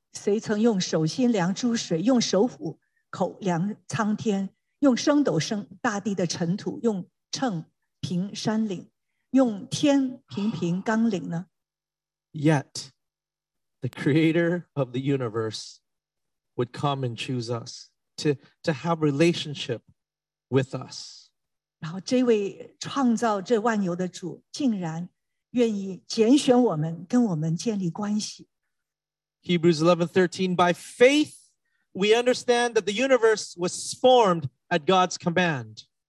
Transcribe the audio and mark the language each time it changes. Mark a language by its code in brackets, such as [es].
[zh] 谁曾用手心量诸水，用手斧口量苍天，用升斗升大地的尘土，用秤平山岭，用天平平冈岭呢？ [en] Yet, the creator of the universe would come and choose us to have relationship with us. [zh] 然后这位创造这万有的主竟然愿意拣选我们跟我们建立关系。 [en] Hebrews 11:13, by faith we understand that the universe was formed at God's command.